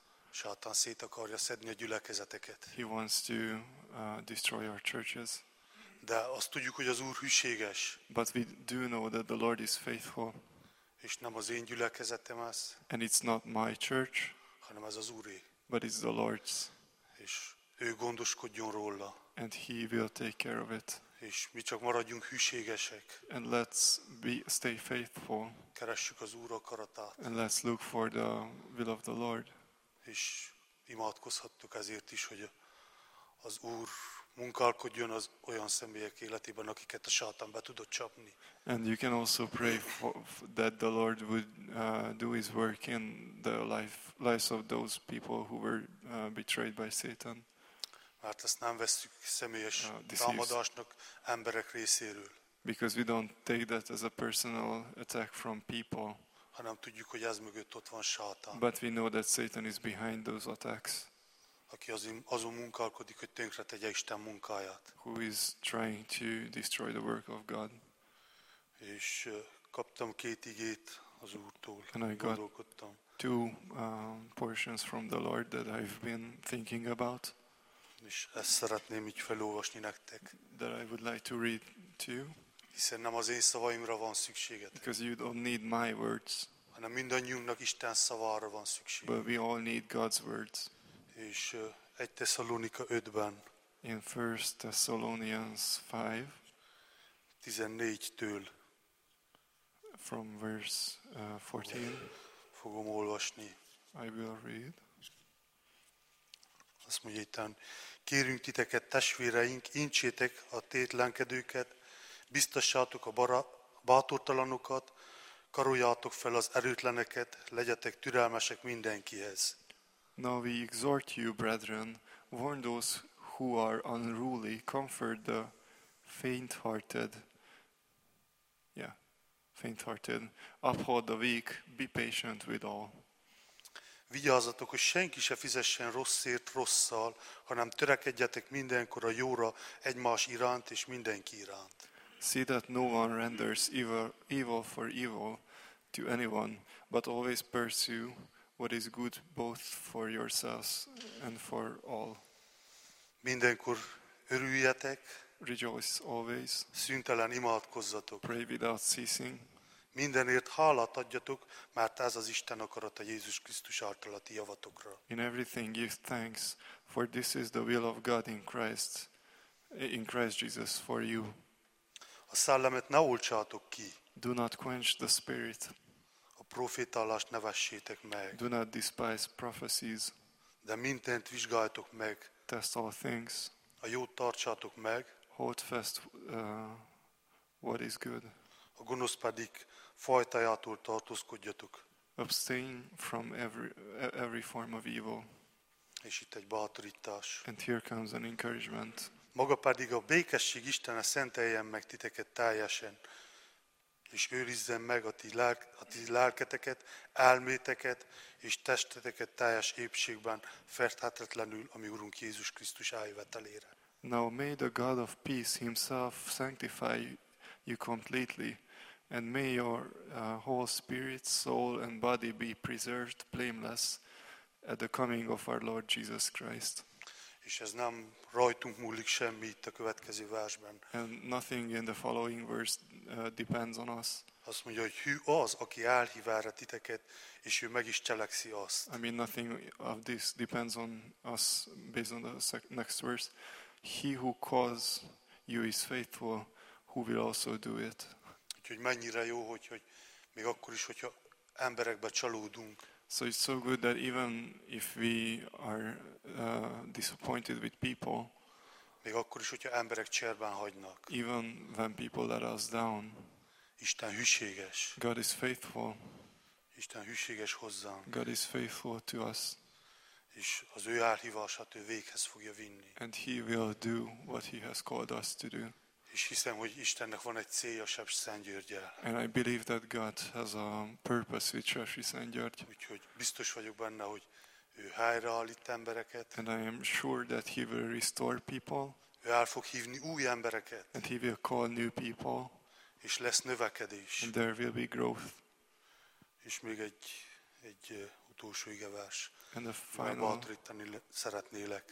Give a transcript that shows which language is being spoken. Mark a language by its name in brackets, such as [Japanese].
[Hungarian] Sátán szét akarja szedni a gyülekezeteket. [English] He wants to destroy our churches. [Hungarian] De azt tudjuk, hogy az Úr hűséges. [English] But we do know that the Lord is faithful. [Hungarian] És nem az én gyülekezetem az. [English] And it's not my church. [Hungarian] Hanem ez az Úré. [English] But it's the Lord's. [Hungarian] És ő gondoskodjon róla. [English] And he will take care of it. [Hungarian] És mi csak maradjunk hűségesek. [English] And let's stay faithful. [Hungarian] Keressük az Úr akaratát. [English] And let's look for the will of the Lord. [Hungarian] És imádkozhattuk ezért is, hogy az Úr munkálkodjon az olyan személyek életében, akiket a sátán be tudott csapni. [English] And you can also pray that the Lord would do his work in the lives of those people who were betrayed by Satan. [Hungarian] Mert ezt nem veszük személyes támadásnak emberek részéről. [English] Because we don't take that as a personal attack from people. [Hungarian] Hanem tudjuk, hogy ez mögött ott van sátán. [English] But we know that Satan is behind those attacks. [Hungarian] Aki azon munkálkodik, hogy tönkre tegye Isten munkáját. [English] Who is trying to destroy the work of God. [Hungarian] És kaptam két igét az Úrtól. [English] And I got two portions from the Lord that I've been thinking about. [Hungarian] És ezt szeretném így felolvasni nektek. [English] That I would like to read to you. [Hungarian] Hiszen nem az én szavaimra van szükségetek. [English] Because you don't need my words. [Hungarian] Hanem mindannyiunknak Isten szavára van szükség. [English] But we all need God's words. [Hungarian] És 1 Tesszalonika 5-ben. [English] In 1 Thessalonians 5. [Hungarian] 14-től. [English] From verse 14. [Hungarian] Fogom olvasni. [English] I will read. [Hungarian] Azt mondja itten. Kérünk titeket, testvéreink, intsétek a tétlenkedőket, biztassátok a bátortalanokat, karoljátok fel az erőtleneket, legyetek türelmesek mindenkihez. [English] Now we exhort you, brethren, warn those who are unruly, comfort the faint-hearted, uphold the weak, be patient with all. [Hungarian] Vigyázzatok, hogy senki se fizessen rosszért rosszal, hanem törekedjetek mindenkor a jóra egymás iránt és mindenki iránt. [English] See that no one renders evil for evil to anyone, but always pursue what is good both for yourselves and for all. [Hungarian] Mindenkor örüljetek. [English] Rejoice always. [Hungarian] Szüntelen imádkozzatok. [English] Pray without ceasing. [Hungarian] Mindenért hálát adjatok, mert ez az Isten akarata Jézus Krisztus által a ti javatokra. [English] In everything give thanks, for this is the will of God in Christ Jesus for you. [Hungarian] A szellemet ne oltsátok ki. [English] Do not quench the spirit. [Hungarian] A profétálást ne vessétek meg. [English] Do not despise prophecies. [Hungarian] De mindent vizsgáljatok meg. [English] Test all things. [Hungarian] A jót tartsátok meg. [English] Hold fast what is good. [Hungarian] A gonosz pedig fajtajától tartózkodjatok. [English] Abstain from every form of evil. [Hungarian] És itt egy bátorítás. [English] And here comes an encouragement. [Hungarian] Maga pedig a békesség Istene szenteljen meg titeket teljesen, és őrizzen meg a ti lelketeket, elméteket és testeteket teljes épségben, fertőtlenül, ami Urunk Jézus Krisztus eljövetelére. [English] Now may the God of peace himself sanctify you completely, and may your whole spirit, soul and body be preserved blameless at the coming of our Lord Jesus Christ. [Hungarian] És ez nem rajtunk múlik semmi itt a következő versben. [English] And nothing in the following verse depends on us. [Hungarian] Azt mondja, hogy hű az, aki elhív erre titeket, és ő meg is cselekszi azt. [English] I mean, nothing of this depends on us based on the next verse. He who calls you is faithful, who will also do it. [Hungarian] Úgyhogy mennyire jó, hogy még akkor is, hogyha emberekbe csalódunk. [English] So it's so good that even if we are disappointed with people, [Hungarian] még akkor is, hogyha emberek cserben hagynak, [English] even when people let us down, [Hungarian] Isten hűséges. [English] God is faithful. [Hungarian] Isten hűséges hozzánk. [English] God is faithful to us. [Hungarian] És az ő elhívását ő véghez fogja vinni. [English] And he will do what he has called us to do. [Hungarian] És hiszem, hogy Istennek van egy célja Sepsiszentgyörggyel. [English] And I believe that God has a purpose with Sepsiszentgyörgy. [Hungarian] Úgyhogy biztos vagyok benne, hogy ő helyreállít embereket. [English] And I am sure that he will restore people. [Hungarian] Ő el fog hívni új embereket. [English] And he will call new people. [Hungarian] És lesz növekedés. [English] And there will be growth. [Hungarian] És még egy utolsó igevers. [English] And the final [Hungarian] bátorítani szeretnélek.